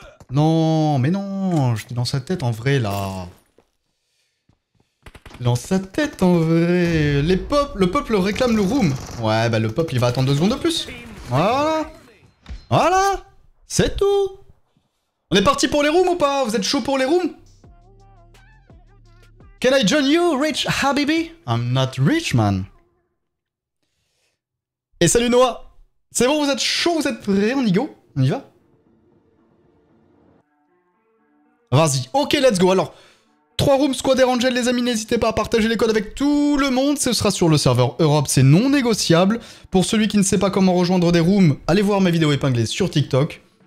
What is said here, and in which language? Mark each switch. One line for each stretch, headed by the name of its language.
French: Non, mais non, j'étais dans sa tête en vrai là. Dans sa tête en vrai. Les peuples, le peuple réclame le room. Ouais, bah le peuple il va attendre 2 secondes de plus. Voilà. Voilà. C'est tout. On est parti pour les rooms ou pas? Vous êtes chaud pour les rooms?
English: Can I join you, rich Habibi? I'm not rich, man.
French: Et salut Noah. C'est bon, vous êtes chaud, vous êtes prêt, on y go? On y va? Vas-y, ok,
English: let's go.
French: Alors, 3 rooms Squad Erangel, les amis, n'hésitez pas à partager les codes avec tout le monde. Ce sera sur le serveur Europe, c'est non négociable. Pour celui qui ne sait pas comment rejoindre des rooms, allez voir ma vidéo épinglée sur TikTok.